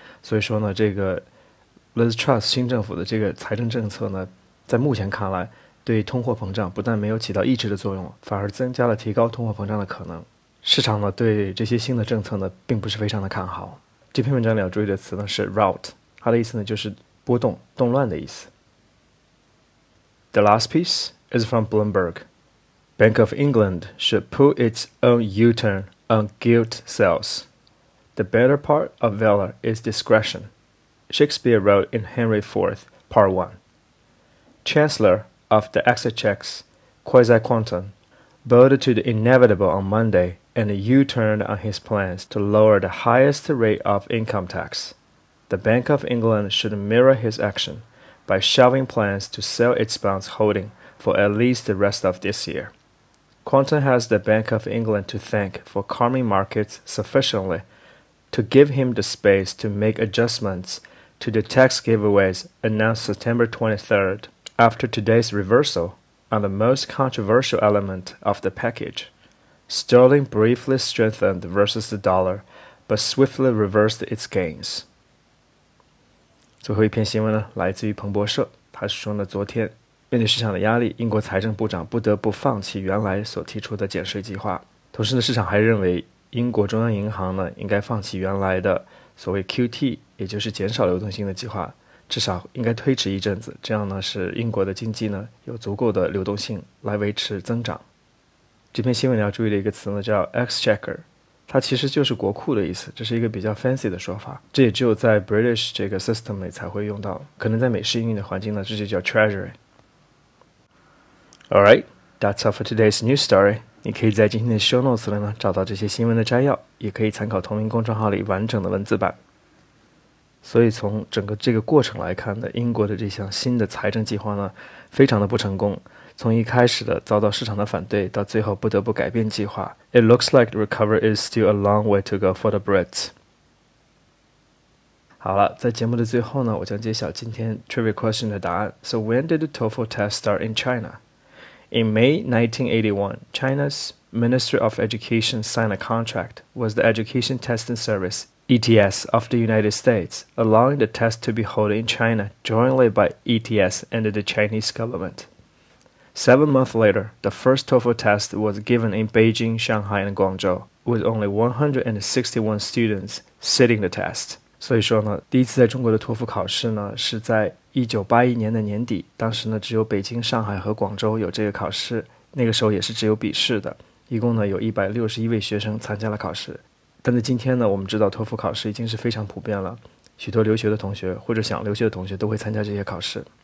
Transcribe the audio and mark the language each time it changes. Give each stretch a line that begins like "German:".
Chinese: 所以说呢，这个 Liz Truss 新政府的这个财政政策呢，在目前看来，对通货膨胀不但没有起到抑制的作用，反而增加了提高通货膨胀的可能。市场呢对这些新的政策呢并不是非常的看好。这篇文章里要注意的词呢是 rout， 它的意思呢就是波动、动乱的意思。
English: The last piece is from Bloomberg. Bank of England should pull its own U-turn on gilt sales. The better part of valor is discretion. Shakespeare wrote in Henry IV, Part 1. Chancellor of the Exchequer, Quasi Quantum, bowed to the inevitable on Monday and U-turned on his plans to lower the highest rate of income tax. The Bank of England should mirror his action. by shelving plans to sell its bonds holding for at least the rest of this year. Quanten has the Bank of England to thank for calming markets sufficiently to give him the space to make adjustments to the tax giveaways announced September 23rd after today's reversal on the most controversial element of the package. Sterling briefly strengthened versus the dollar, but swiftly reversed its gains.
Chinese: 最后一篇新闻呢，来自于彭博社。他说呢，昨天面对市场的压力，英国财政部长不得不放弃原来所提出的减税计划。同时呢，市场还认为英国中央银行呢应该放弃原来的所谓 QT， 也就是减少流动性的计划，至少应该推迟一阵子，这样呢是英国的经济呢有足够的流动性来维持增长。这篇新闻要注意的一个词呢叫 Exchequer。它其实就是国库的意思，这是一个比较 fancy 的说法，这也只有在 British 这个 system 里才会用到，可能在美式英语的环境呢，这就叫 treasury。
English: Alright, that's all for today's news story.
Chinese: 你可以在今天的 show notes 里呢找到这些新闻的摘要，也可以参考同名公众号里完整的文字版。所以从整个这个过程来看呢，英国的这项新的财政计划呢非常的不成功，从一开始的遭到市场的反对，到最后不得不改变计划。
English: It looks like recovery is still a long way to go for the Brits.
Chinese: 好了，在节目的最后呢，我将揭晓今天 trivia question 的答案。
English: So when did the TOEFL test start in China? In May 1981, China's Ministry of Education signed a contract with the Education Testing Service, ETS, of the United States, allowing the test to be held in China jointly by ETS and the Chinese government. 7 months later, the first TOEFL test was given in Beijing, Shanghai, and Guangzhou, with only 161 students sitting the test.
Chinese: 所以说呢，第一次在中国的托福考试呢，是在1981年的年底，当时呢，只有北京、上海和广州有这个考试，那个时候也是只有笔试的，一共呢，有161位学生参加了考试。但在今天呢，我们知道托福考试已经是非常普遍了，许多留学的同学或者想留学的同学都会参加这些考试。